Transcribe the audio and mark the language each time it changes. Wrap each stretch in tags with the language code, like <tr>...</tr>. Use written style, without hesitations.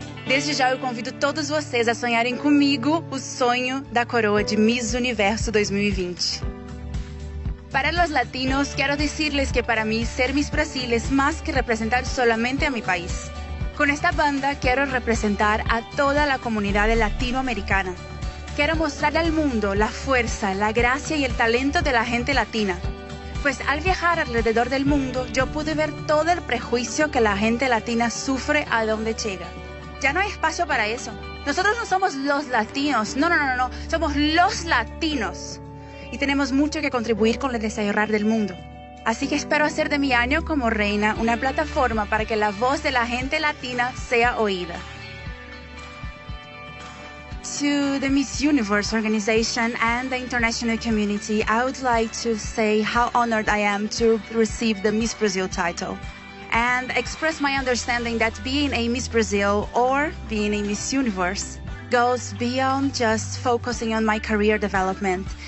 <pt>Desde já eu convido todos vocês a sonharem comigo o sonho da coroa de Miss Universo 2020.</pt> <es>Para los latinos, quiero decirles que para mí ser Miss Brasil es más que representar solamente a mi país. Con esta banda quiero representar a toda la comunidad latinoamericana. Quiero mostrar al mundo la fuerza, la gracia y el talento de la gente latina. Pues al viajar alrededor del mundo, yo pude ver todo el prejuicio que la gente latina sufre a donde llega. Ya no hay espacio para eso. Nosotros no somos los latinos. No. Somos los latinos. Y tenemos mucho que contribuir con el desarrollo del mundo. Así que espero hacer de mi año como reina una plataforma para que la voz de la gente latina sea oída.</es> <en>To the Miss Universe organization and the international community, I would like to say how honored I am to receive the Miss Brazil title and express my understanding that being a Miss Brazil or being a Miss Universe goes beyond just focusing on my career development.</en>